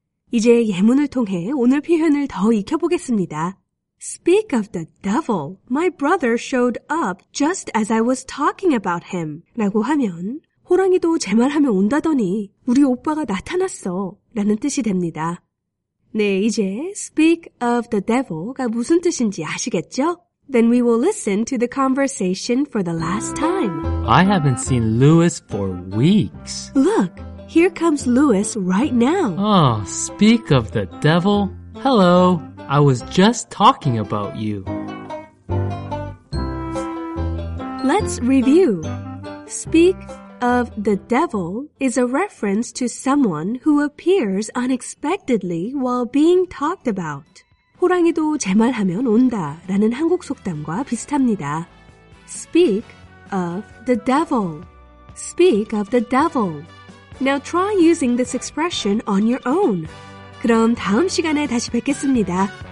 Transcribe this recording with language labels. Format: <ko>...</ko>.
<ko>이제 예문을 통해 오늘 표현을 더 익혀보겠습니다.</ko> <en>Speak of the devil. My brother showed up just as I was talking about him.</en> <ko>라고 하면 호랑이도 제 말하면 온다더니 우리 오빠가 나타났어 라는 뜻이 됩니다. 네, 이제</ko> <en>speak of the devil</en> <ko>가 무슨 뜻인지 아시겠죠?</ko> <en>Then we will listen to the conversation for the last time. I haven't seen Lewis for weeks. Look, here comes Lewis right now. Oh, speak of the devil. Hello, I was just talking about you. Let's review. Speak of the devil is a reference to someone who appears unexpectedly while being talked about.</en> <ko>호랑이도 제 말하면 온다 라는 한국 속담과 비슷합니다.</ko> <en>Speak of the devil. Speak of the devil. Now try using this expression on your own.</en> <ko>그럼 다음 시간에 다시 뵙겠습니다.</ko>